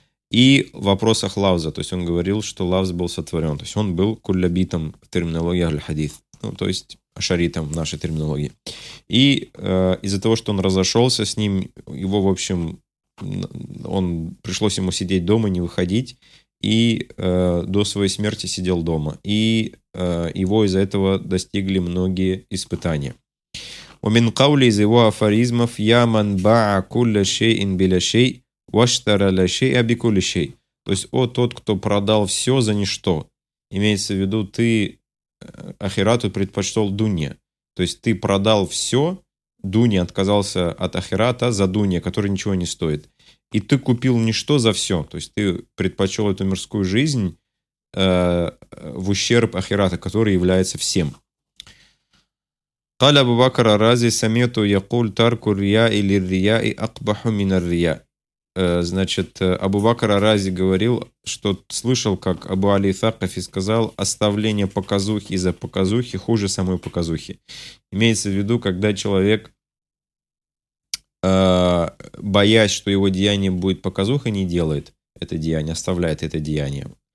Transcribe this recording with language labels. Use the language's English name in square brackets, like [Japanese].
[Russian] И в вопросах лавза, то есть он говорил, что лавз был сотворен, то есть он был куллябитом в терминологии аль-хадис, ну, то есть ашаритом в нашей терминологии. И из-за того, что он разошелся с ним, его, в общем, он пришлось ему сидеть дома, не выходить, и до своей смерти сидел дома. И его из-за этого достигли многие испытания. [Arabic] ومن قول زوا فاريزمف يا من باع كل شيء بلا شيء واشترى شيء بكل شيء. [Russian] То есть, о тот, кто продал все за ничто. Имеется в виду, ты ахирату предпочел дунья. То есть, ты продал все, дунья, отказался от ахирата за дунья, который ничего не стоит. И ты купил ничто за все. То есть, ты предпочел эту мирскую жизнь в ущерб ахирата, который является всем. [Arabic] قال أبو بكر الرازي سمعت يقول ترك الرياء للرياء أقبح من الرياء. [Russian] Значит, Абу Бакр ар-Рази говорил, что слышал, как Абу Али Сакафи сказал, оставление показухи за показухи хуже самой показухи. Имеется в виду, когда человек, боясь, что его деяние будет показуха, не делает это деяние, оставляет это деяние.